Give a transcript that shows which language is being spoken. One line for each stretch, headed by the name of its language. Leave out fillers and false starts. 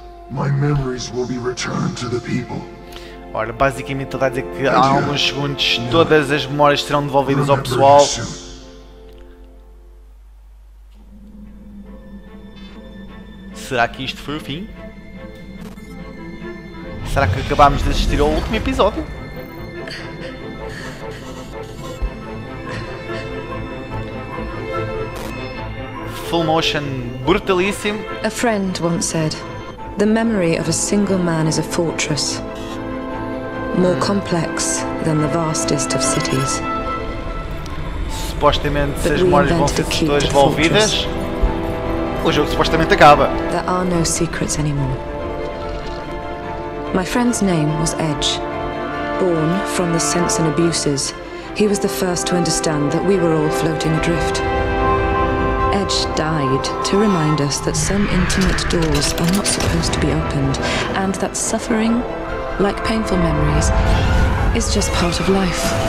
English: My memories will be returned to the people.
Portuguese: Ora, basicamente ele está a dizer que há alguns segundos todas as memórias serão devolvidas ao pessoal. Será que isto foi o fim? Será que acabámos de assistir ao último episódio? Full motion brutalíssimo.
English: A friend once said, the memory of a single man is a fortress. More complex than the vastest of cities.
Portuguese: Supostamente, se as memórias vão ser todas devolvidas, o jogo supostamente acaba.
English: There are no secrets anymore. My friend's name was Edge. Born from the sense and abuses, he was the first to understand that we were all floating adrift. Edge died to remind us that some intimate doors are not supposed to be opened, and that suffering, like painful memories, it's just part of life.